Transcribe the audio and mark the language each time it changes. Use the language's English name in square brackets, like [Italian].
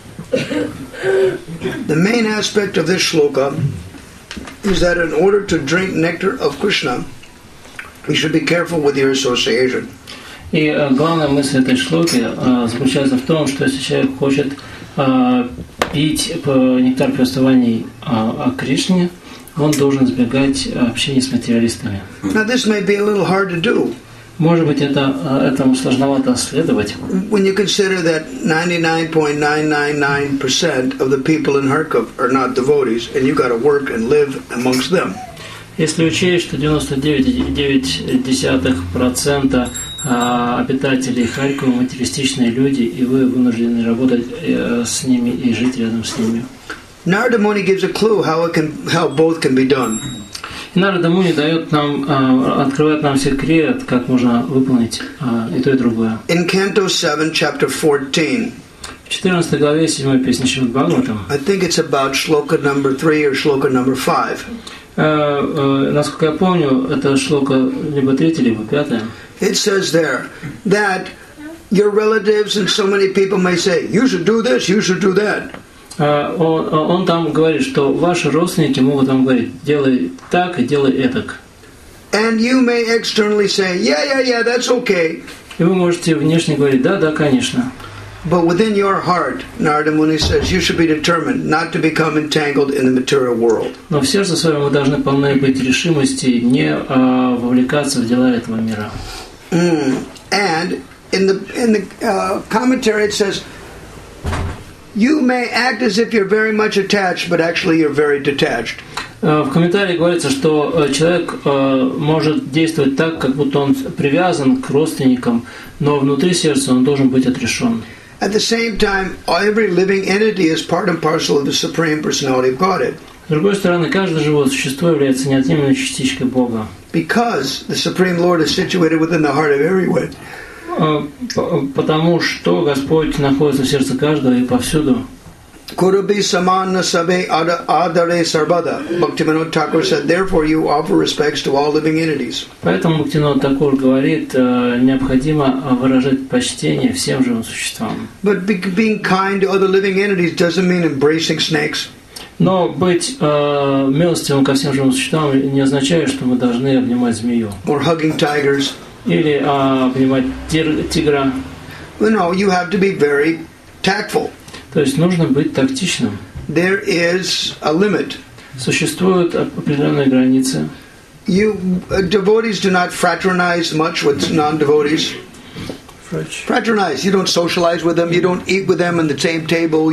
[English] The main aspect of this shloka is that in order to drink nectar of Krishna we should be careful with your association. [Russian] И главная мысль этой шлоки заключается в том, что если человек хочет пить нектар повествований о Кришне, он должен избегать общения с материалистами. [English] Now this may be a little hard to do. [Russian] Может быть, этому сложновато следовать. [English] When you consider that 99.999% of the people in Kharkov are not devotees, and you got to work and live amongst them. [Russian] Если учесть, что 99.9% обитателей Харькова материалистичные люди, и вы вынуждены работать с ними и жить рядом с ними. [English] Narada Muni gives a clue how both can be done. [Russian] Narada Muni дает нам открывает нам секрет, как можно выполнить и то и другое. [English] In Canto 7, Chapter 14. [Russian] В 14 главе 7 песни Шримад Бхагаватам. [English] I think it's about Shloka number 3 or Shloka number 5. [Russian] Насколько я помню, это шлока либо третья, либо пятая. [English] It says there that your relatives and so many people may say, you should do this, you should do that. [Russian] Он там говорит, что ваши родственники могут вам говорить, делай так и делай этак. [English] And you may externally say, yeah, that's okay. [Russian] И вы можете внешне говорить, да, конечно. [English] But within your heart, Narada Muni says, you should be determined not to become entangled in the material world. [Russian] Но в сердце своем вы должны полны быть решимости не вовлекаться в дела этого мира. [English] And in the commentary it says, you may act as if you're very much attached, but actually you're very detached. [Russian] В комментарии говорится, что человек может действовать так, как будто он привязан к родственникам, но внутри сердца он должен быть отрешен. [English] At the same time, every living entity is part and parcel of the Supreme Personality of Godhead. [Russian] С другой стороны, каждое живое существо является неотъемлемой частичкой Бога. [English] Because the Supreme Lord is situated within the heart of everyone. [Russian] Потому что Господь находится в сердце каждого и повсюду. [Bangla] Куруби саманна сабе адаре сарбада. [English] Бхактивинода Тхакур said, therefore you offer respects to all living entities. [Russian] Поэтому Бхактивинода Тхакур говорит, необходимо выражать почтение всем живым существам. [English] But being kind to other living entities doesn't mean embracing snakes. [Russian] Но быть милостивым ко всем живым существам не означает, что мы должны обнимать змею. [English] Or hugging tigers. [Russian] Или обнимать тигра. [English] No, you have to be very tactful. [Russian] То есть нужно быть тактичным. [English] There is a limit. [Russian] Существуют определенные границы. [English] Devotees do not fraternize much with non-devotees. Fraternize. You don't socialize with them. You don't eat with them at the same table.